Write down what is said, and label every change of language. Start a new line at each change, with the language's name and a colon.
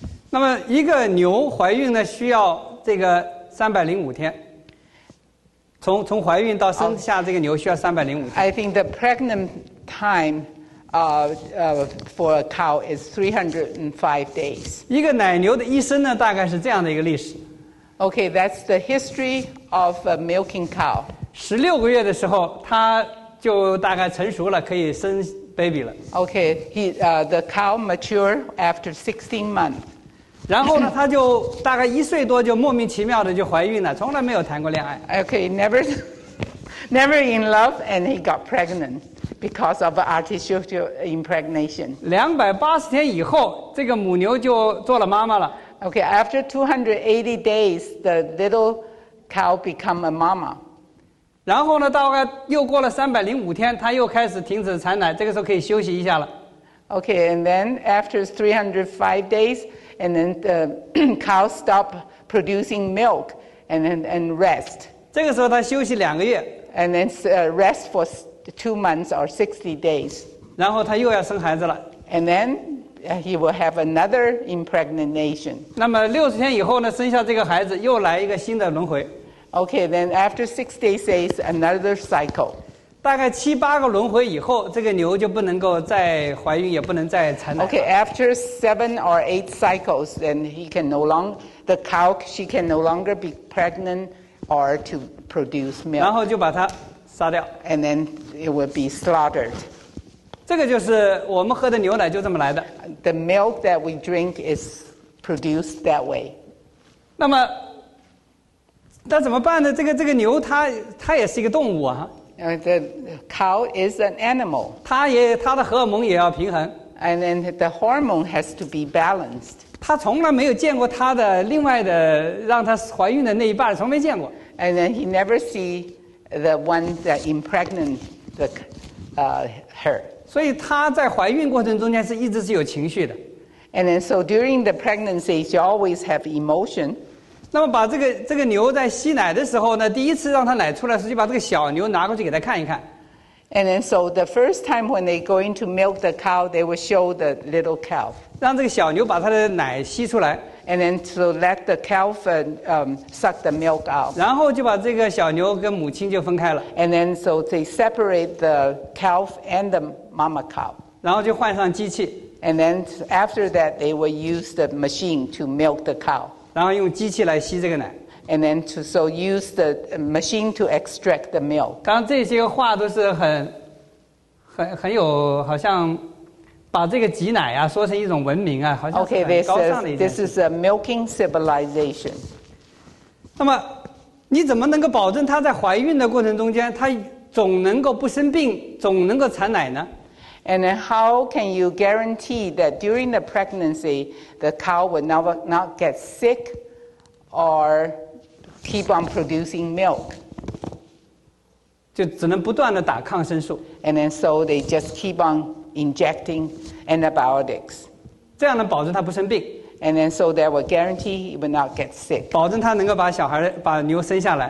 Chinese: 那么一个牛怀孕呢，需要这个305天。从怀孕到生下这个牛需要305天。
English: I think the pregnant time for a cow is 305 days.
Chinese: 一个奶牛的一生呢，大概是这样的一个历史。
English: Okay, that's the history of a milking cow.
Chinese: 十六个月的时候，它就大概成熟了，可以生 baby 了。
English: Okay, the cow mature after 16 months.
Chinese: 然后呢，它就大概一岁多就莫名其妙的就怀孕了，从来没有谈过恋爱。
English: Okay, never in love, and he got pregnant because of artificial impregnation.
Chinese: 280天以后，这个母牛就做了妈妈了。
English: Okay, after 280 days, the little cow become a mama.
Chinese: 然后呢，大概又过了305天，它又开始停止产奶，这个时候可以休息一下了。
English: Okay, and then after 305 days, and then the cow stop producing milk and rest.
Chinese: 这个时候它休息两个月。
English: And then rest for 2 months or 60 days.
Chinese: 然后它又要生孩子了。
English: And then... He will have another impregnation.
Chinese: 那么六十天以后呢，生下这个孩子，又来一个新的轮回。
English: Okay, then after 6 days, it's another cycle.
Chinese: 大概七八个轮回以后，这个牛就不能够再怀孕，也不能再产奶了。
English: Okay, after 7 or 8 cycles, then the cow she can no longer be pregnant or to produce milk.
Chinese: 然后就把它杀掉。
English: And then it will be slaughtered.
Chinese: 这个就是我们喝的牛奶就这么来的。
English: The milk that we drink is produced that way.
Chinese: 那么，那怎么办呢？这个牛它也是一个动物啊。
English: The cow is an animal.
Chinese: 它的荷尔蒙也要平衡。
English: And then the hormone has to be balanced.
Chinese: 它从来没有见过它的另外的让它怀孕的那一半，从没见过。
English: And then he never see the one that impregnant the her.
Chinese: 所以她在怀孕过程中间是一直是有情绪的。
English: And then, so during the pregnancy, she always have emotion.
Chinese: 那么把这个牛在吸奶的时候呢，第一次让它奶出来时，就把这个小牛拿过去给它看一看。
English: And then, so the first time when they going to milk the cow, they will show the little calf.
Chinese: 让这个小牛把它的奶吸出来。
English: And then, so let the calf suck the milk out.
Chinese: 然后就把这个小牛跟母亲就分开了。
English: And then, so they separate the calf and the mama cow.
Chinese: 然后就换上机器。
English: And then, after that, they will use the machine to milk the cow.
Chinese: 然后用机器来吸这个奶。
English: And then, so use the machine to extract the milk.
Chinese: 当然这些话都是很有好像。把这个挤奶啊说成一种文明啊，好像是很高尚的一件事。
English: Okay, this is a milking civilization.
Chinese: 那么，你怎么能够保证它在怀孕的过程中间，它总能够不生病，总能够产奶呢
English: ？And then how can you guarantee that during the pregnancy the cow will not get sick or keep on producing milk？
Chinese: 就只能不断的打抗生素。
English: And then so they just keep on. Injecting antibiotics,
Chinese: 这样能保证他不生病。
English: And then so that will guarantee he will not get sick.
Chinese: 保证他能够把小孩把牛生下来。